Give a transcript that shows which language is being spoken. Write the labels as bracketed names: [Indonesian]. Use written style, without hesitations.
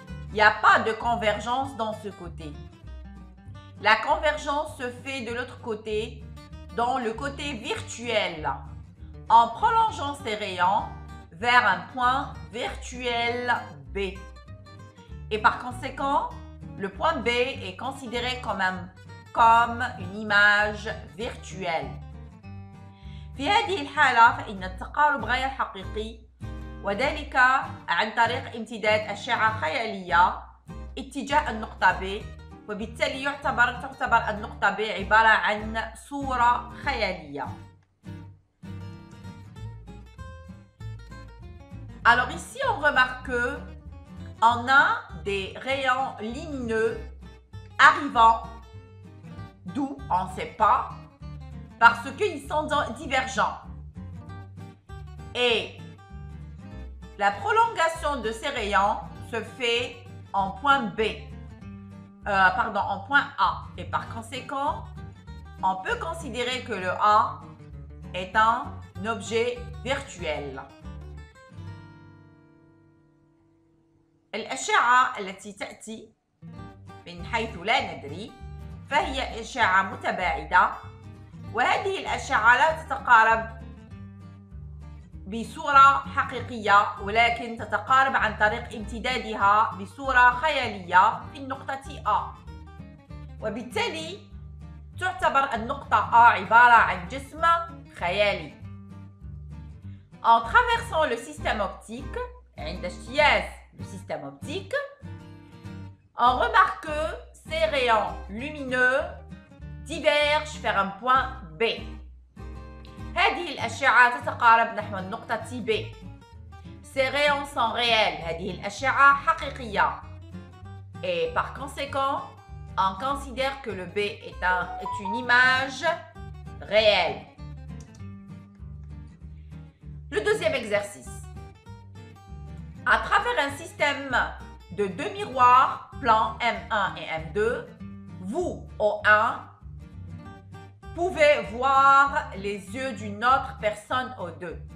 [French] Il n'y a pas de convergence dans ce côté. La convergence se fait de l'autre côté, dans le côté virtuel, en prolongeant ses rayons vers un point virtuel B. Et par conséquent, le point B est considéré comme une image virtuelle. [Arabic] في هذه الحالة فإن التقارب غير حقيقي وذلك عن طريق امتداد أشعة خيالية اتجاه النقطة B وبالتالي تعتبر النقطة B عبارة عن صورة خيالية. [French] Alors ici on remarque que on a des rayons lumineux arrivant d'où on ne sait pas parce qu'ils sont divergents. Et la prolongation de ces rayons se fait en point B, en point A. Et par conséquent, on peut considérer que le A est un objet virtuel. [Arabic] الأشعة التي تأتي من حيث لا ندري فهي أشعة متباعدة، وهذه الأشعة لا تتقارب بصورة حقيقية ولكن تتقارب عن طريق امتدادها بصورة خيالية في النقطة A، وبالتالي تعتبر النقطة A عبارة عن جسم خيالي. [French] En traversant le système optique, [Arabic] عند اجتياز [French] le système optique, on remarque que ces rayons lumineux divergent vers un point B. [Arabic] هذه الأشعة تتقارب نحو النقطة B. [French] Ces rayons sont réels. [Arabic] هذه الأشعة حقيقية. [French] Et par conséquent, on considère que le B est une image réelle. Le deuxième exercice. À travers un système de deux miroirs, plan M1 et M2, vous, O1, pouvez voir les yeux d'une autre personne O2.